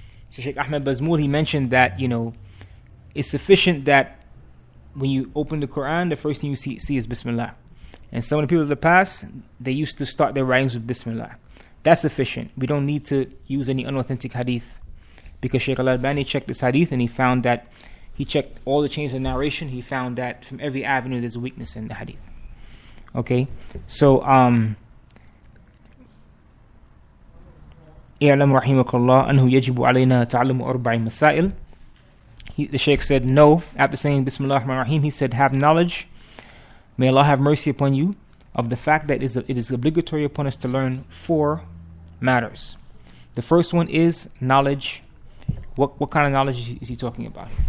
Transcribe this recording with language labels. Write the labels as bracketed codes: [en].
[en] So Sheikh Ahmed Bazmul, he mentioned that, you know, it's sufficient that when you open the Quran, the first thing you see is Bismillah. And some of the people of the past, they used to start their writings with Bismillah. That's sufficient. We don't need to use any unauthentic hadith, because Sheikh Al-Albani checked this hadith and he found that, he checked all the chains of narration. He found that from every avenue, there's a weakness in the hadith. [ar] Okay, so إِعْلَمْ رَحِيمَكَ اللَّهُ أَنْهُ يَجِبُ عَلَيْنَا تَعْلَمُ أَرْبَعِ مَسَائِلِ. [en] The Shaykh said, "No." After saying Bismillah ar-Rahman ar-Rahim, he said, "Have knowledge. May Allah have mercy upon you of the fact that it is obligatory upon us to learn four matters. The first one is knowledge. What kind of knowledge is he talking about?"